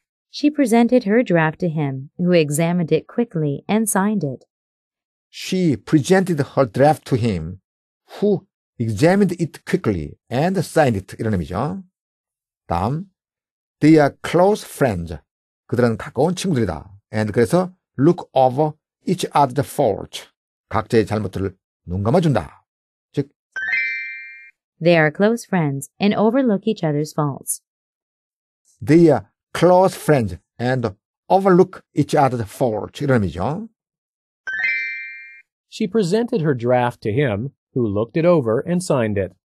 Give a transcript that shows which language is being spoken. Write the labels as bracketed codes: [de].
[en] She presented her draft to him, who examined it quickly and signed it. She presented her draft to him, who examined it quickly and signed it. [ko] 이런 의미죠. 다음, [en] they are close friends. [ko] 그들은 가까운 친구들이다. [en] And [ko] 그래서 [en] look over each other's faults. [ko] 각자의 잘못들을 눈감아준다. 즉, [en] they are close friends and overlook each other's faults. They are close friends and overlook each other's faults. [ko] 이런 의미죠. [en] She presented her draft to him, who looked it over and signed it.